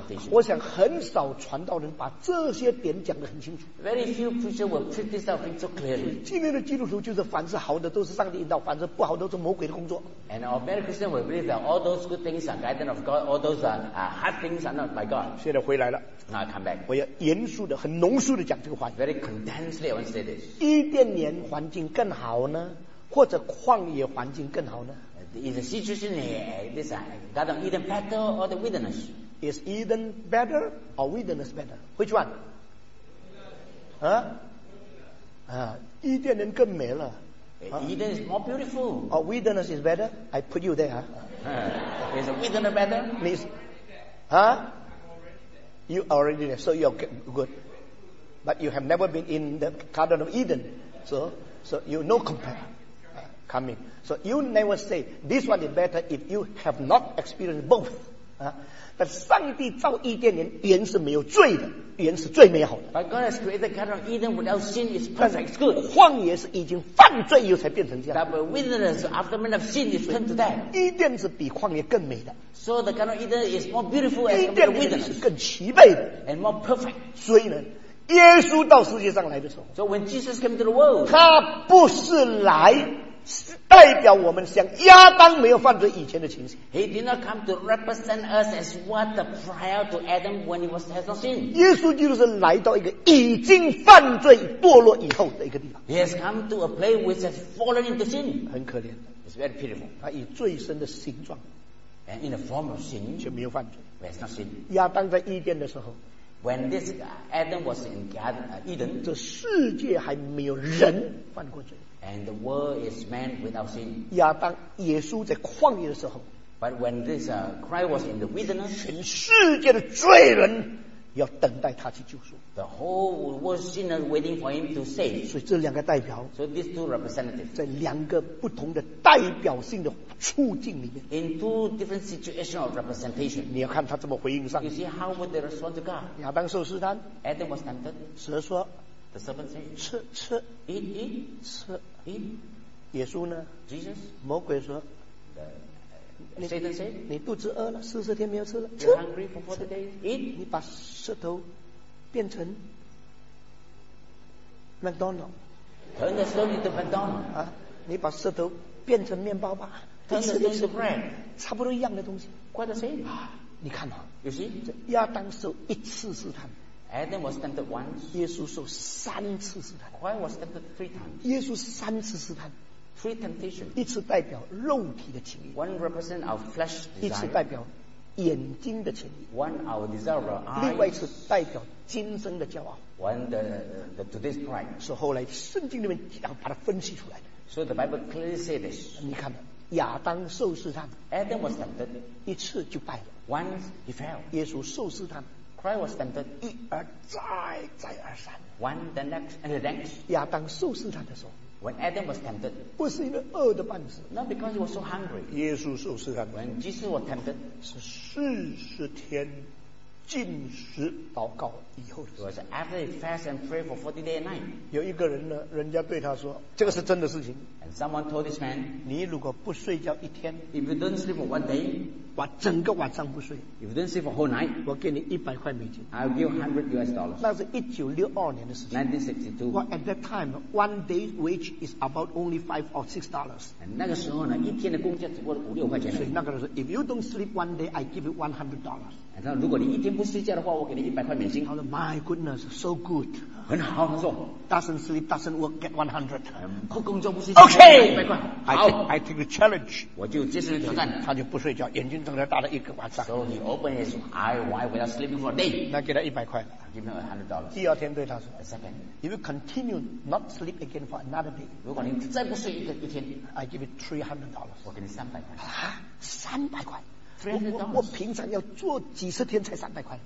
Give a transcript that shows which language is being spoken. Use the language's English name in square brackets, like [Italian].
[Chinese] 我想很少传道人把这些点讲得很清楚。 [English] Very few preachers will preach this thing so clearly. [Chinese] 今天的基督徒就是凡是好的都是上帝引导，凡是不好的都是魔鬼的工作。 [English] And our American Christians will believe that all those good things are guidance of God, all those hard things are not by God. [Chinese] 现在回来了。 [English] Now come back. [Chinese] 我要严肃的、很浓缩的讲这个话。 [English] Very condensedly, I want to say this. [Chinese] 伊甸园环境更好呢，或者旷野环境更好呢？ [English] Is the situation this Garden of Eden better or the wilderness? Is Eden better or wilderness better? Which one? [Chinese] 啊啊，伊甸园更美了。 [English] Eden is more beautiful. Or wilderness is better? I put you there. Is the wilderness better? Miss, huh? You already there, so you're good. But you have never been in the Garden of Eden, so you no compare. Coming. So you never say this one is better if you have not experienced both. But [Chinese] 上帝造伊甸园原是没有罪的，原是最美好的。 [English] But God has created the Garden of Eden without sin is perfect, good. [Chinese] 旷野是已经犯罪又才变成这样。 [English] But wilderness after man of sin is turned to that. [Chinese] 伊甸是比旷野更美的。 [English] So the Garden of Eden is more beautiful and compared to wilderness. [Chinese] 伊甸园是更齐备的。 [English] And more perfect. [Chinese] 所以呢耶稣到世界上来的时候。 [English] So when Jesus came to the world. [Chinese] 他不是来代表我们像亚当没有犯罪以前的情形。 [English] He did not come to represent us as what the prior to Adam when he was has not sin. [Chinese] 耶稣基督是来到一个已经犯罪堕落以后的一个地方。 [English] He has come to a place which has fallen into sin. [Chinese] 很可怜的。 [English] It's very pitiful. [Chinese] 他以最深的形状 [English] ，and in the form of sin， [Chinese] 却没有犯罪。 [English] He has not sin. [Chinese] 亚当在伊甸的时候。 [English] When this Adam was in Garden Eden， [Chinese] 这世界还没有人犯过罪。 [English] And the world is man without sin. [Chinese] 亚当、耶稣在旷野的时候。 [English] But when this Christ was in the wilderness， [Chinese] 全世界的罪人要等待他去救赎。 [English] The whole world sinners waiting for him to save. [Chinese] 所以这两个代表。 [English] So these two representatives. [Chinese] 在两个不同的代表性的处境里面。 [English] In two different situations of representation. [Chinese] 你要看他怎么回应上帝。 [English] You see how would they respond to God? [Chinese] 亚当受试探。 [English] Adam was tempted. [Chinese] 蛇说。 [English] The serpent said. [Chinese] 吃吃。 [English] Eat. [Chinese] 吃。 [English] Eat. [Chinese] 耶稣呢。 [English] Jesus. [Chinese] 魔鬼说。 [English] Satan said, [Chinese] 你肚子饿了，四十天没有吃了。 [English] You're hungry for 40 days. Eat. [Chinese] 你把石头变成 McDonald. [English] Turn the stone into McDonald. [Chinese] 啊，你把石头变成面包吧。 [English] Turn the stone into bread. [Chinese] 差不多一样的东西。 [English] Quite the same. [Chinese] 啊，你看啊。 [English] You see, [Chinese] 这亚当受一次试探。 [English] Adam was tempted once. [Chinese] 耶稣受三次试探。 [English] Why was tempted three times? [Chinese] 耶稣三次试探。 [English] Three temptations. [Chinese] 一次代表肉体的情欲。 [English] One represents our flesh desire. [Chinese] 一次代表眼睛的情欲。 [English] One our desire of our eyes. [Chinese] 另外一次代表今生的骄傲。 [English] One the today's pride. [Chinese] 是后来圣经里面然后把它分析出来的。 [English] So the Bible clearly says this. [Chinese] 你看，亚当受试探。 [English] Adam was tempted. [Chinese] 一次就败了。 [English] Once he fell. [Chinese] 耶稣受试探。 [English] Christ was tempted. [Chinese] 一而再，再而三。 [English] One the next and the next. [Chinese] 亚当受试探的时候。 [English] When Adam was tempted, [Chinese] 不是因为饿的半死 [English] not because he was so hungry. [Chinese] 耶稣受试探 [English] when Jesus was tempted, [Chinese] 是四十天禁食祷告以后的事 [English] it was after he fast and pray for 40 day and night. [Chinese] 有一个人呢，人家对他说，这个是真的事情 [English] and someone told this man, [Chinese] 你如果不睡觉一天 [English] if you don't sleep for one day, [Chinese] 我整个晚上不睡 [English] if you don't sleep for whole night, [Chinese] 我给你$100 [English] I'll give $100 US. [Chinese] 那是1962年的事情 [English] 1962. Well, at that time, one day's wage is about only $5 or $6. And [Chinese] 那个时候呢，一天的工价只不过是5-6块钱。所以那个人说 [English] if you don't sleep one day, I give you $100. [Chinese] 然后如果你一天不睡觉的话，我给你$100。好的 [English] ，My goodness, so good. [Chinese] 很好，他说 [English] doesn't sleep, doesn't work, get 100. [Chinese] 不工作不睡觉 [English] okay, I take the challenge. [Chinese] 我就接受挑战。他就不睡觉，眼睛睁着大了一个晚上。 [English] So he opened his eye wide without sleeping for a day. [Chinese] 那给他100块。 [English] Give him $100. [Chinese] 第二天对他说 [English] a second, if you continue not sleep again for another day, [Chinese] 如果你再不睡一天 [English] I give you $300. [Chinese] 我给你300块。 300块。我平常要做几十天才300块。